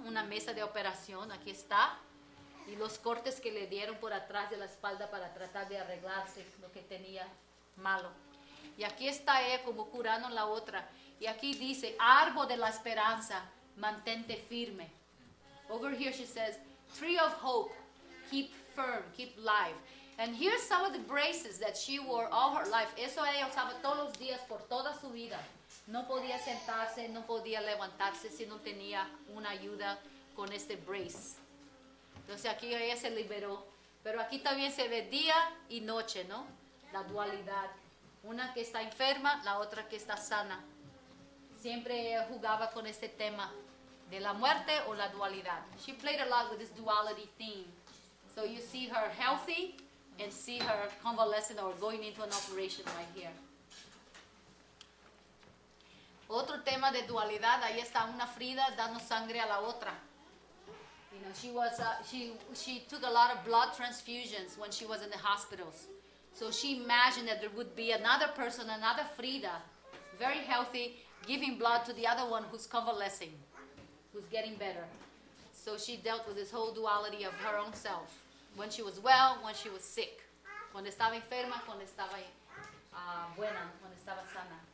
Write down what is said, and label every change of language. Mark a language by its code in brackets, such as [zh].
[es] Una mesa de operación, aquí está. Y los cortes que le dieron por atrás de la espalda para tratar de arreglarse lo que tenía malo. Y aquí está ella como curando la otra. Y aquí dice, árbol de la esperanza, mantente firme. [en] Over here she says, tree of hope, keep firm, keep life. And here's some of the braces that she wore all her life. [es] Eso ella usaba todos los días por toda su vida. No podía sentarse, no podía levantarse si no tenía una ayuda con este brace. Entonces aquí ella se liberó. Pero aquí también se ve día y noche, ¿no? La dualidad. Una que está enferma, la otra que está sana. Siempre ella jugaba con este tema de la muerte o la dualidad. [en] She played a lot with this duality theme. So you see her healthy and see her convalescent or going into an operation right here. [es] Otro tema de dualidad, ahí está una Frida dando sangre a la otra. [en] You know, she took a lot of blood transfusions when she was in the hospitals. So she imagined that there would be another person, another Frida, very healthy, giving blood to the other one who's convalescing, who's getting better. So she dealt with this whole duality of her own self, when she was well, when she was sick. [es] Cuando estaba enferma, cuando estaba buena, cuando estaba sana.